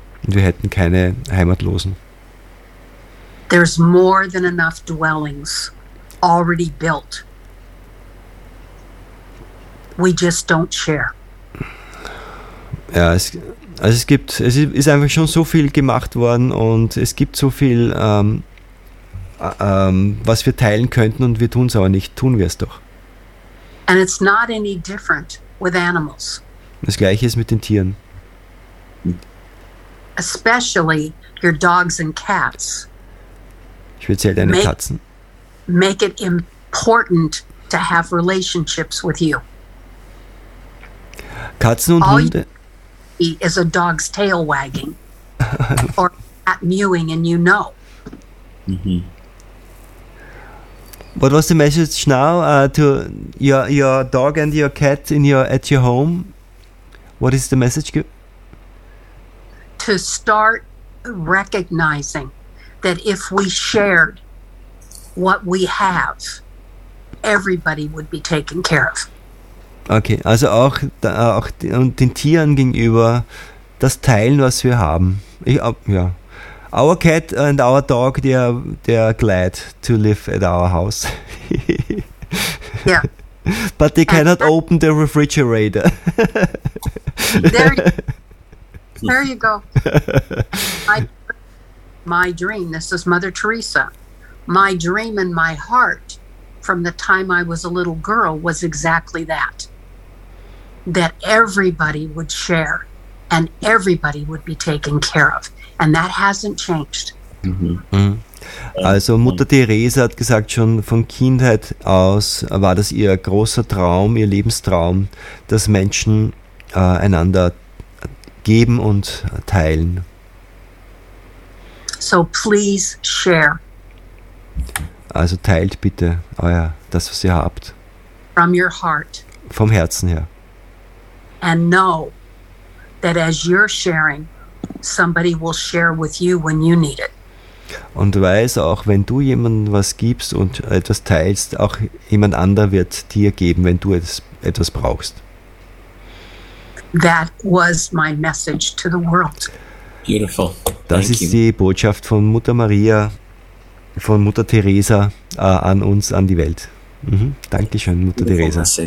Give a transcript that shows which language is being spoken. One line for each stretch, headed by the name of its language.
German: Und wir hätten keine Heimatlosen.
English: There's more than enough dwellings already built. We just don't share.
German: Ja, es ist einfach schon so viel gemacht worden und es gibt so viel, was wir teilen könnten und wir tun es aber nicht. Tun wir es doch.
English: And it's not any different with animals.
German: Das Gleiche ist mit den Tieren.
English: Especially your dogs and cats.
German: Speziell deine Katzen.
English: Make it important to have relationships with you.
German: Katzen und
English: all
German: Hunde.
English: You see is a dog's tail wagging or cat mewing, and you know. Mm-hmm. What was the message now to your dog and your cat in your at your home? What is the message? To start recognizing that if we shared what we have, everybody would be taken care of.
German: Okay, also auch den Tieren gegenüber das Teilen, was wir haben.
English: Our cat and our dog, they are glad to live at our house. Yeah. But they cannot open the refrigerator. There you go. My dream, this is Mother Teresa, my dream in my heart from the time I was a little girl was exactly that. That everybody would share and everybody would be taken care of. And that hasn't changed. Mm-hmm.
German: Also Mutter Teresa hat gesagt, schon von Kindheit aus war das ihr großer Traum, ihr Lebenstraum, dass Menschen einander geben und teilen.
English: So please share.
German: Also teilt bitte das, was ihr habt.
English: From your heart.
German: Vom Herzen her.
English: And know that as you're sharing, somebody will share with you when you need it.
German: Und weiß auch, wenn du jemandem was gibst und etwas teilst, auch jemand anderer wird dir geben, wenn du etwas brauchst.
English: That was my message to the world. Beautiful.
German: Das ist die Botschaft von Mutter Maria, von Mutter Teresa an uns, an die Welt. Mhm. Dankeschön, Mutter Teresa.